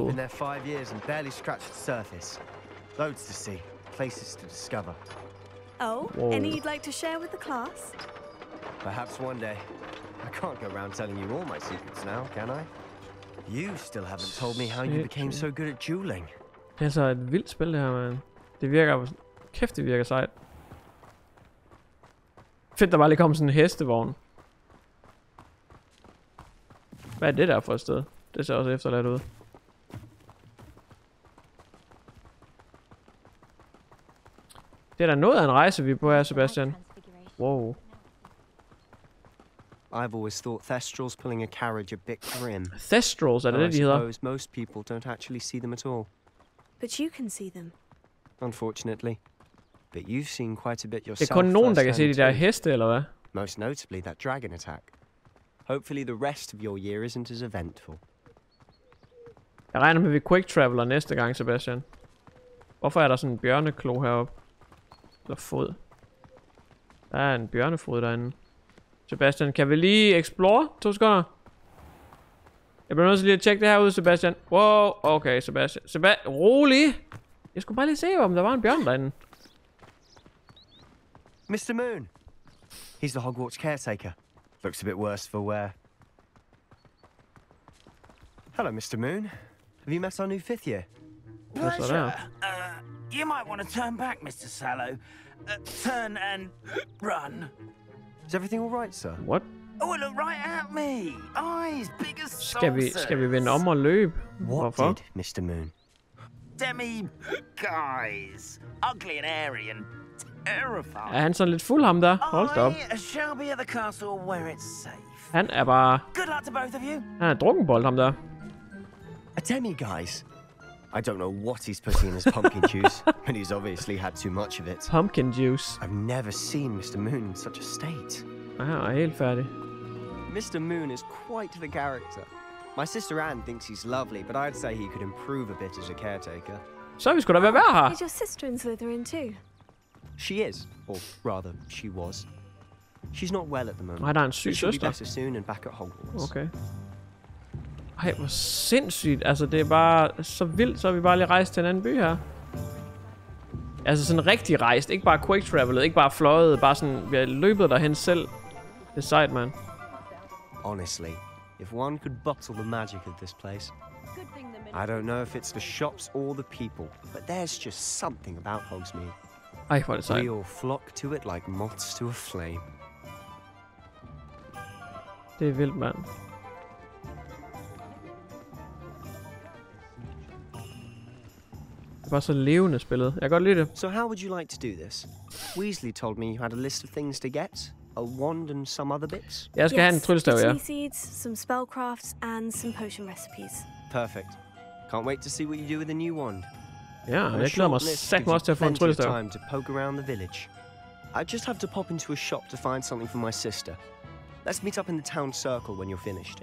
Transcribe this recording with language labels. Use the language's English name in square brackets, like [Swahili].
[English] I've been there 5 years and barely scratched the surface. Loads to see, places to discover. Oh, whoa. Any you'd like to share with the class? Perhaps one day. I can't go around telling you all my secrets now, can I? You still haven't told me how you became so good at dueling. [Danish] Det er så et vildt spil det her, man. Det virker, kæft det virker sejt. Fedt, der bare lige kom sådan en hestevogn. Hvad er det der for et sted? Det ser også efterladt ud. Det er da noget af en rejse, vi er på her, Sebastian. [English] Wow. I've always thought thestrals pulling a carriage a bit grim. Thestrals, er det det, de hedder? I suppose most people don't actually see them at all. But you can see them. Unfortunately. But you've seen quite a bit yourself. [Danish] Det er kun nogen, der kan se de der heste, eller hvad? [English] Most notably that dragon attack. Hopefully the rest of your year isn't as eventful. [Danish] Jeg regner med, at vi quick traveler næste gang, Sebastian. Hvorfor er der sådan en bjørneklo heroppe? Eller fod? Der er en bjørnefod derinde. Sebastian, kan vi lige explore 2 sekunder? Jeg bliver nødt til lige at tjekke det her ud, Sebastian. Wow, okay, Sebastian. Rolig! Jeg skulle bare lige se, om der var en bjørn derinde. [English] Mr. Moon. He's the Hogwarts caretaker. Looks a bit worse for wear. Hello, Mr. Moon. Have you met our new fifth year? Pleasure. You might want to turn back, Mr. Sallow. Turn and run. Is everything all right, sir? What? Oh, look right at me. Eyes big as saucers. [Danish] Skal vi vende om og løbe? [English] What [Danish] Hvorfor? [English] Did, Mr. Moon? Demi guys. Ugly and airy and terrifying. [Danish] Er han sådan lidt fuld, ham der? Hold da op. [English] I shall be at the castle where it's safe. [Danish] Han er bare... [English] Good luck to both of you. [Danish] Han er drukkenbold, ham der. [English] A Demi guys. I don't know what he's putting in his pumpkin juice, but he's obviously had too much of it. Pumpkin juice. I've never seen Mr. Moon in such a state. Wow, I'm [Danish] helt færdig. [English] Mr. Moon is quite the character. My sister Anne thinks he's lovely, but I'd say he could improve a bit as a caretaker. [Danish] Så vi skulle da være her. [English] Is your sister in Slytherin too? She is, or rather, she was. She's not well at the moment. [Danish] Nej, der er en syg søster. [English] She'll be better soon and back at Hogwarts. [Danish] Okay. Ej, hvor sindssygt. Altså, det er bare så vildt, så vi bare lige rejst til en anden by her. Altså, sådan rigtig rejst. Ikke bare quick travelet, ikke bare fløjet. Bare sådan, vi har løbet derhen selv. Det er sejt, man. [English] Honestly, if one could bottle the magic of this place. I don't know if it's the shops or the people, but there's just something about Hogsmeade. [Danish] Ej, hvor er det sejt. [English] We all flock to it like moths to a flame. [Danish] Det er vildt, man. Det var så levende spillet. Jeg kan godt lide det. [English] So how would you like to do this? Weasley told me you had a list of things to get, a wand and some other bits. [Danish] Jeg skal [English] yes, [Danish] have en tryllestav, ja. [English] Seeds, some spellcrafts and some potion recipes. Perfect. Can't wait to see what you do with the new wand. [Danish] Ja, jeg glæder mig sagt også til at få en tryllestav. [English] Time to poke around the village. I just have to pop into a shop to find something for my sister. Let's meet up in the town circle when you're finished.